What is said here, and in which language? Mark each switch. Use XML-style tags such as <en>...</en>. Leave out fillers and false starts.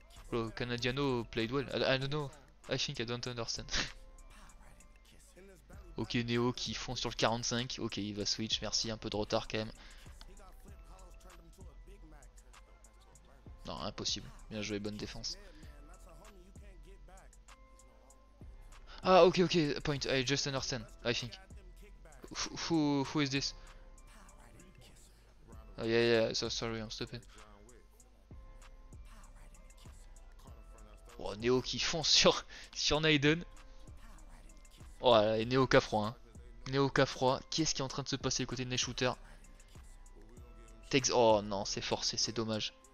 <en>Bro, Canadiano played well. I don't know. I think I don't understand.</en> <fr>Ok, Neo qui fonce sur le 45. Ok, il va switch. Merci, un peu de retard quand même. Non, impossible. Bien joué, bonne défense. Ah, ok, ok, point.</fr> <en>I just understand, I think. Who is this? Oh, yeah, yeah, so sorry, I'm stupid.</en> <fr>Oh, Neo qui fonce sur Naiden. Oh, là, et Neo qui a froid. Hein. Neo qui a froid. Qu'est-ce qui est en train de se passer du côté de Nate Shooter? Oh, non, c'est forcé, c'est dommage.</fr>